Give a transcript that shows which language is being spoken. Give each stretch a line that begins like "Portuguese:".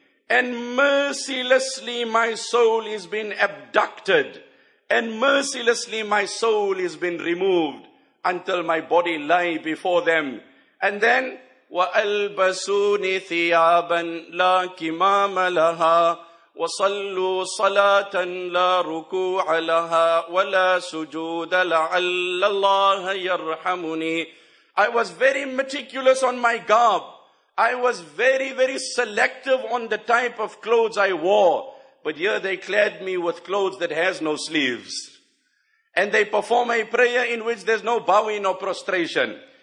English: And mercilessly my soul is been abducted. And mercilessly my soul is been removed until my body lie before them. And then,
Arabic: وَأَلْبَسُونِ ثِيَابًا لَا كِمَامَ لَهَا وَصَلُّوا صَلَاةً لَا رُكُوعَ لَهَا وَلَا سُجُودَ لَعَلَّ اللَّهَ يَرْحَمُنِي.
English: I was very meticulous on my garb. I was very, very selective on the type of clothes I wore. But here they clad me with clothes that has no sleeves. And they perform a prayer in which there's no bowing or prostration.